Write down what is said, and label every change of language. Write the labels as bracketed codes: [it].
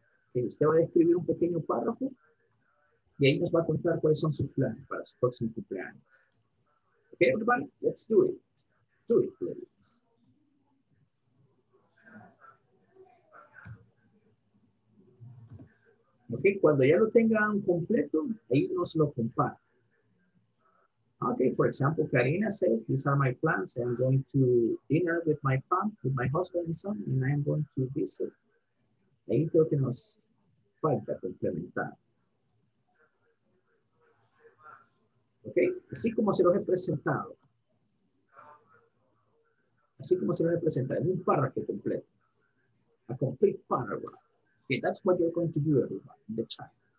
[es] Okay, usted va a escribir un pequeño párrafo y ahí nos va a contar cuáles son sus planes para su próximo cumpleaños. [en] Okay, everybody, let's do it. Do it, please. [es] Okay, cuando ya lo tengan completo, ahí nos lo comparan. [en] Okay, for example, Karina says, these are my plans. I'm going to dinner with my mom, with my husband and son, and I'm going to visit. [es] Ahí creo que nos falta complementar. Okay, así como se los he presentado. Así como se los he presentado, en un párrafo completo. [en] A complete paragraph. Okay, that's what you're going to do, everyone, in the chat.